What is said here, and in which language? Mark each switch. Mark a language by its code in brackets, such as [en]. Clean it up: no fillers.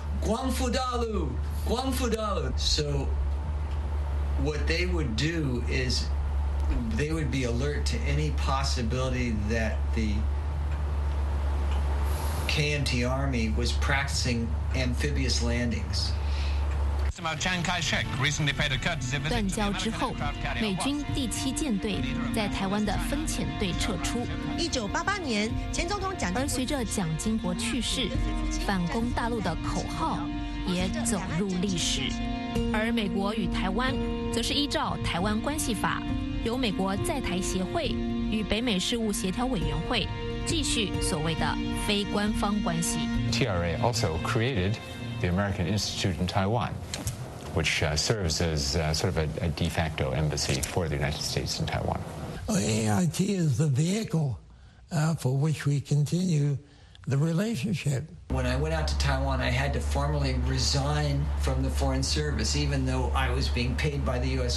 [zh] Guangfu Dalu! Guangfu Dalu! [en] So what they would do is they would be alert to any possibility that the KMT Army was practicing amphibious landings. [zh] 断交之后，美军第七舰队在台湾的分遣队撤出。 1988年，前总统蒋，而随着蒋经国去世，反攻大陆的口号也走入历史。而美国与台湾，则是依照《台湾关系法》，由美国在台协会与北美事务协调委员会继续所谓的非官方关系。 [en] TRA also created. The American Institute in Taiwan, which serves as sort of a de facto embassy for the United States in Taiwan. AIT is the vehicle for which we continue the relationship. When I went out to Taiwan, I had to formally resign from the Foreign Service, even though I was being paid by the U.S.